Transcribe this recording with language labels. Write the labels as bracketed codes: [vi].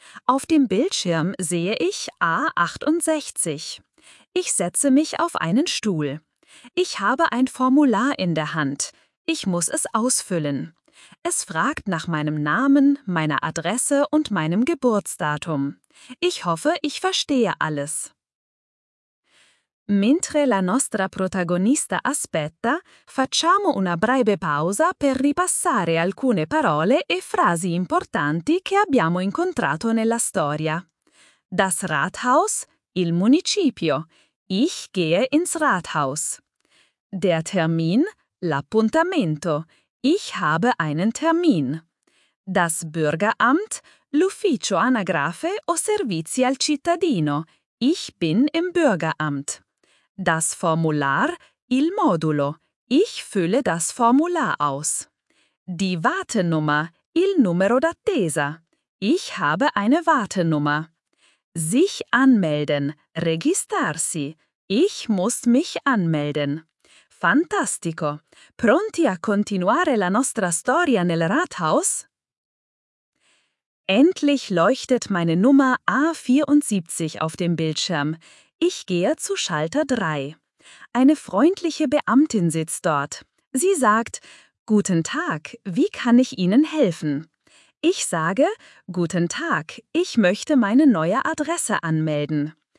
[de] Auf dem Bildschirm sehe ich A68. Ich setze mich auf einen Stuhl. Ich habe ein Formular in der Hand. Ich muss es ausfüllen. Es fragt nach meinem Namen, meiner Adresse und meinem Geburtsdatum. Ich hoffe, ich verstehe alles. [it] Mentre la nostra protagonista aspetta, facciamo una breve pausa per ripassare alcune parole e frasi importanti che abbiamo incontrato nella storia. [de] Das Rathaus, [it] il municipio. [de] Ich gehe ins Rathaus. Der Termin, [it] l'appuntamento. [de] Ich habe einen Termin. Das Bürgeramt, [it] l'ufficio anagrafe o servizi al cittadino. [de] Ich bin im Bürgeramt. Das Formular, [it] il modulo. [de] Ich fülle das Formular aus. Die Wartenummer, [it] il numero d'attesa. [de] Ich habe eine Wartenummer. Sich anmelden, registrarsi. Ich muss mich anmelden. [it] Fantastico! Pronti a continuare la nostra storia nel Rathaus? [de] Endlich leuchtet meine Nummer A74 auf dem Bildschirm. Ich gehe zu Schalter 3. Eine freundliche Beamtin sitzt dort. Sie sagt: Guten Tag, wie kann ich Ihnen helfen? Ich sage: Guten Tag, ich möchte meine neue Adresse anmelden.